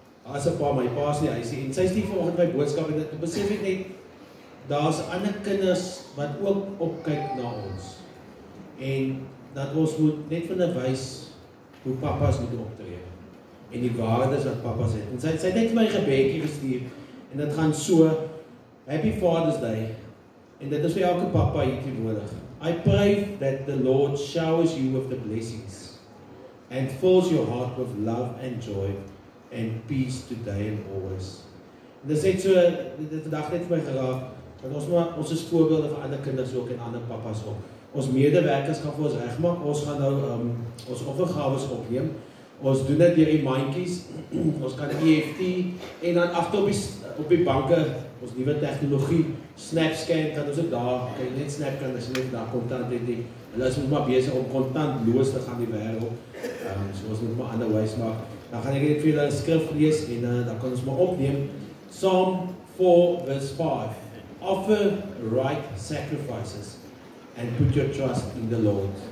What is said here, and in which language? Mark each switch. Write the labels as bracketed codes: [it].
[af] As 'n pa, my pa is nie, hy sê, en sy stuur vanoggend my boodskap en ek besef ek net, daar's ander kinders wat ook opkyk na ons. En dat ons moet net van 'n wys hoe papas moet optree. En die waardes wat papas het. En sy het net my gebedjie gestuur en dit gaan so, [en] Happy Father's Day. [af] En dit is vir elke papa hierdie nodig. [en] I pray that the Lord showers you with the blessings and fills your heart with love and joy and peace today and always. [af] En dit sê so, dit het vandag net vir my geraak, dat ons is voorbeelde van ander kinders ook en ander papas ook. Ons medewerkers gaan vir ons regmaak, ons gaan nou ons offergawes opneem. Ons doen dit deur die mandjies, ons kan EFT, en dan agter op die banke, ons nuwe tegnologie, SnapScan, kan ons ook daar, kan jy net SnapScan, as jy net daar kontant het nie. Hulle is ook maar besig om kontantloos te gaan die wêreld, so ons moet maar ander wys maak. Dan gaan ek net vir julle een skrif lees en dan kan ons maar opneem. Psalm 4 verse 5. [en] Offer right sacrifices and put your trust in the Lord.